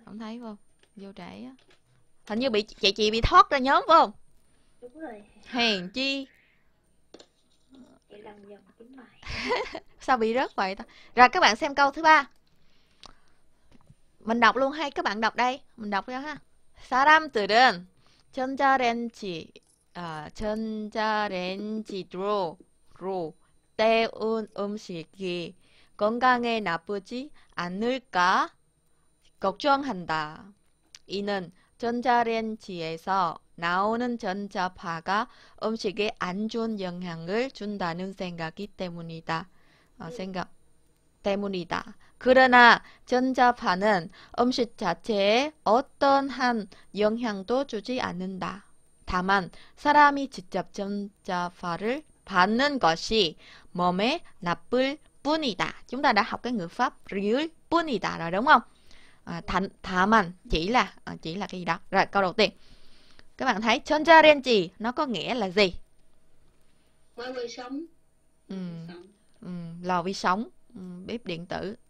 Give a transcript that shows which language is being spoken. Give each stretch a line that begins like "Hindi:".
Vietnamese: Không thấy không? Vô trễ á. Hình như bị chị bị thoát ra nhóm phải không? Đúng rồi. Hèn chi. Chị lần dần kiếm bài. Sao bị rớt vậy ta? Rồi các bạn xem câu thứ 3. Mình đọc luôn hay các bạn đọc đây? Mình đọc cho ha.
Korean: 사람들은 전자레인지로 데운 음식이 건강에 나쁘지 않을까 걱정한다. 이는 전자레인지에서 나오는 전자파가 음식에 안 좋은 영향을 준다는 생각이 때문이다. 생각 때문이다. 그러나 전자파는 음식 자체에 어떤 한 영향도 주지 않는다. 다만 사람이 직접 전자파를 받는 것이 몸에 나쁠 뿐이다.
Vietnamese: Chúng ta đã học cái ngữ pháp
Korean: 리을 뿐이다
Vietnamese: rồi đúng không?
Korean: 다만
Vietnamese: chỉ là cái gì đó. Rồi câu đầu tiên. Các bạn thấy chonjarenji nó có nghĩa là gì? Mọi người sống, mọi người sống. Lò vi sóng, bếp điện tử.